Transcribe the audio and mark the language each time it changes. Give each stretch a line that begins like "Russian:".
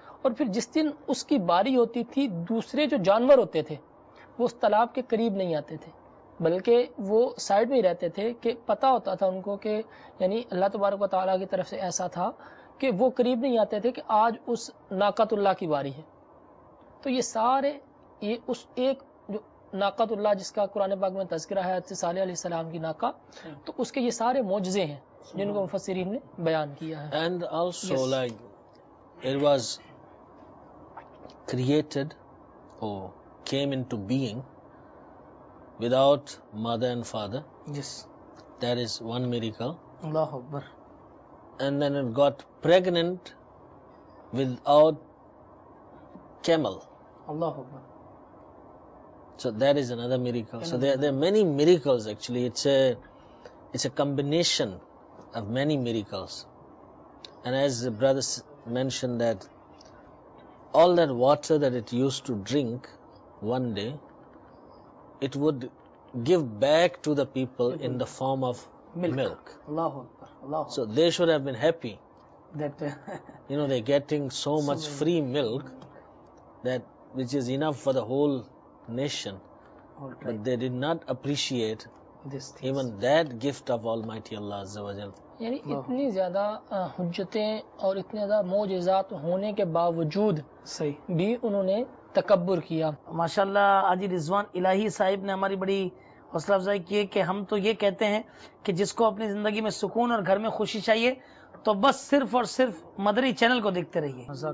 Urdu: اور پھر جس دن اس کی باری ہوتی تھی دوسرے جو جانور ہوتے تھے وہ اس تالاب کے قریب نہیں آتے تھے بلکہ وہ سائڈ میں رہتے تھے کہ پتہ ہوتا تھا ان کو کہ یعنی اللہ تبارک و تعالیٰ کی طرف سے ایسا تھا کہ وہ قریب نہیں آتے تھے کہ آج اس ناقت اللہ کی باری ہے. تو یہ سارے یہ اس ایک جو ناقت اللہ جس کا قرآن پاک میں تذکرہ ہے حضرت صالح علیہ السلام کی ناقہ تو اس کے یہ سارے معجزے ہیں جن کو مفسرین نے بیان کیا ہے.
English: And also like it was created or came into being without mother and father. Yes. That is one miracle. Allahu Akbar. And then it got pregnant without camel. Allahu Akbar. So that is another miracle. So there are many miracles actually. It's a combination of many miracles. And as the brothers mentioned that all that water that it used to drink one day, it would give back to the people in the form of milk. Allahu Akbar. Allahu Akbar. So they should have been happy that you know they're getting so much free milk that which is enough for the whole nation. Right. But they did not appreciate this even that gift of Almighty Allah Azza wa Jal.
Urdu: یعنی اتنی زیادہ حجتیں اور اتنے زیادہ معجزات ہونے کے باوجود صحیح بھی انہوں نے تکبر کیا. ماشاءاللہ آجی رضوان الہی صاحب نے ہماری بڑی حوصلہ افزائی کی کہ ہم تو یہ کہتے ہیں کہ جس کو اپنی زندگی میں سکون اور گھر میں خوشی چاہیے تو بس صرف اور صرف مدری چینل کو دیکھتے رہیے.